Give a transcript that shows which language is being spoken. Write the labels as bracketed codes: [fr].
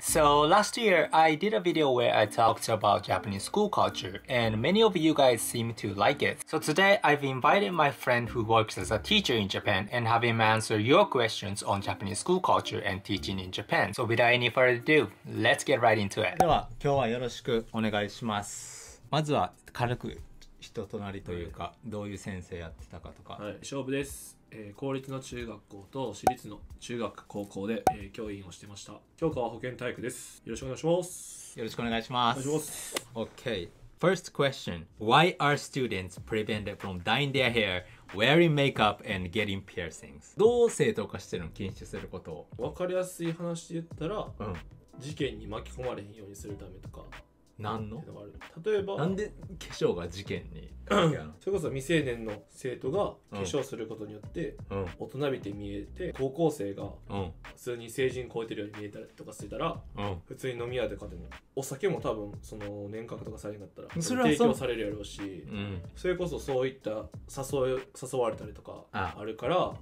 [en] So last year, I did a video where I talked about Japanese school culture, and many of you guys seem to like it. So today, I've invited my friend who works as a teacher in Japan and have him answer your questions on Japanese school culture and teaching in Japan. So without any further ado, let's get right into it. [ja] では、今日はよろしくお願いします。まずは軽く人となりというか、どういう先生やってたかとか。はい、勝負です。公立の中学校と私立の中学高校で、教員をしてました。教科は保健体育です。よろしくお願いします。よろしくお願いします。お願いします。 [en] Okay. First question. Why are students prevented from dyeing their hair, wearing makeup, and getting piercings? [ja] どう正当化してるの？禁止することを。わかりやすい話で言ったら、事件に巻き込まれへんようにするためとか。何の？例えばなんで化粧が事件にそれこそ未成年の生徒が化粧することによって大人びて見えて、高校生が普通に成人超えてるように見えたりとかしてたら、普通に飲み屋とかでもお酒も多分その年賀とかされるんだったら提供されるやろうし、それこそそういった誘われたりとかあるから、